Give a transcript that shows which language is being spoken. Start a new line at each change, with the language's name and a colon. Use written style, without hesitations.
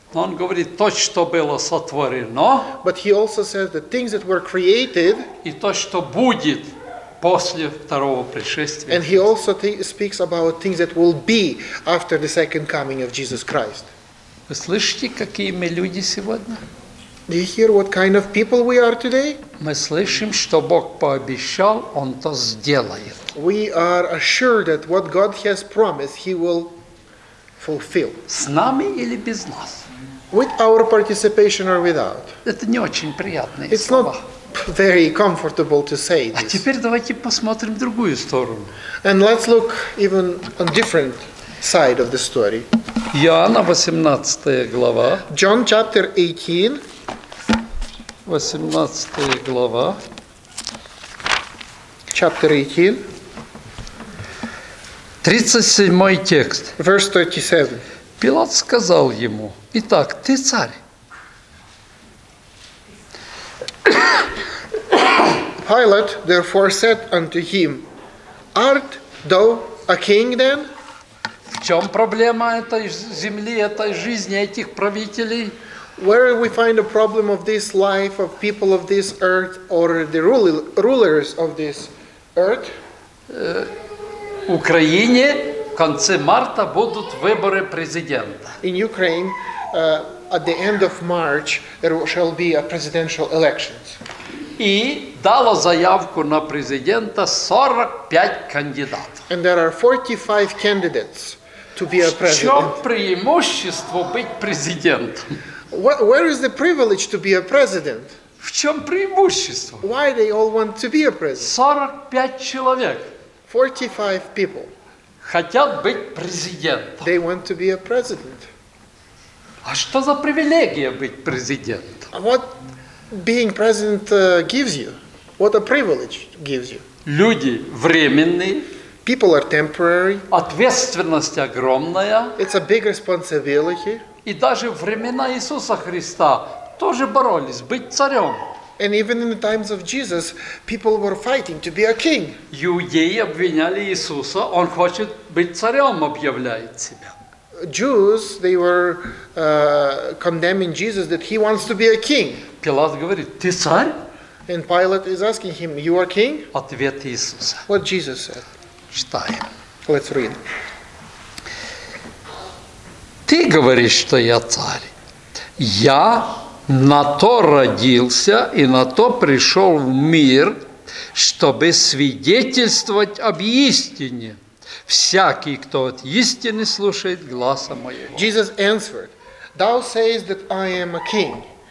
Russian: Но он говорит то, что было сотворено.
English: But he also says the things that were created.
Russian: И то, что будет после второго пришествия.
English: And he also speaks about things that will be after the second coming of Jesus Christ.
Russian: Вы слышите, какие мы люди сегодня?
English: Do you hear what kind of people we are today?
Russian: Мы слышим, что Бог пообещал, он то сделает.
English: We are assured that what God has promised, he will fulfill.
Russian: С нами или без нас?
English: With our participation or without?
Russian: Это не очень приятные слова.
English: Very comfortable to say this.
Russian: А теперь давайте посмотрим другую сторону.
English: And let's look even a different side of the story.
Russian: Иоанна 18 глава.
English: John chapter 18.
Russian: 18 глава.
English: Chapter 18.
Russian: 37 текст.
English: Verse 37.
Russian: Пилат сказал ему: «Итак, ты царь?»
English: Pilate therefore said unto him, Art thou a king then?
Russian: В чём проблема этой земли, этой жизни, этих правителей?
English: Where we find a problem of this life of people of this earth or the rulers of this earth?
Russian: В Україні в конце марта будут выборы президента.
English: In Ukraine, at the end of March there shall be a presidential elections.
Ukrainian: І дало заявку на президента 45 кандидатів.
English: And there are 45 candidates to be a president.
Ukrainian: В чому преимущество бути президентом?
English: Where is the privilege to be a president?
Ukrainian: В чому преимущество?
English: Why they all want to be a president?
Ukrainian: 45 чоловік.
English: 45 people.
Ukrainian: Хочуть бути президентом.
English: They want to be a president.
Ukrainian: А що за привілегія бути президентом?
English: What being president gives you? What a privilege gives you?
Russian: Люди временные.
English: People are temporary.
Russian: Ответственность огромная.
English: It's a big responsibility.
Russian: И даже времена Иисуса Христа тоже боролись быть царем.
English: And even in the times of Jesus, people were fighting to be a king.
Russian: Иудеи обвиняли Иисуса, он хочет быть царем, объявляет себя.
English: Jews, they were condemning Jesus that he wants to be a king.
Russian: Пилат говорит, ты царь?
English: And Pilate is asking him, you are king?
Russian: Ответ Иисуса.
English: What Jesus said.
Russian: Читаем.
English: Let's read.
Russian: Ты говоришь, что я царь. Я на то родился и на то пришел в мир, чтобы свидетельствовать об истине. Всякий, кто от истины слушает гласа моего.
English: Jesus answered, thou sayest that I am a king.